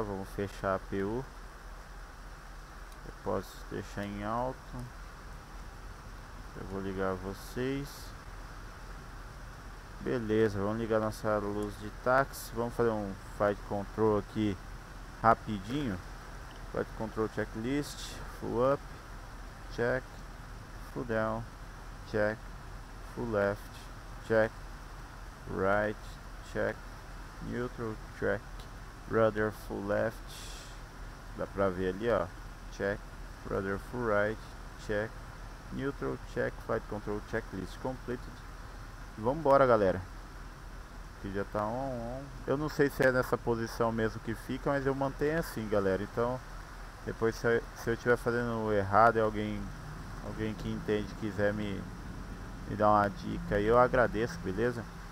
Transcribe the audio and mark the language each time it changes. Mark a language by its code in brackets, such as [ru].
[pt] Vamos fechar a APU. Eu posso deixar em alto. Eu vou ligar vocês. Beleza, vamos ligar nossa luz de táxi. Vamos fazer um flight control aqui rapidinho. [en] Flight control checklist, full up, check, full down, check, full left, check, right, check, neutral, check, rudder full left. [pt] Dá pra ver ali, ó. [en] Check, rudder full right, check, neutral, check, flight control checklist completed. [pt] Vambora, galera. Aqui já tá on. Eu não sei se é nessa posição mesmo que fica, mas eu mantenho assim, galera. Então, depois, se eu estiver fazendo errado e alguém que entende quiser me dar uma dica, eu agradeço, beleza?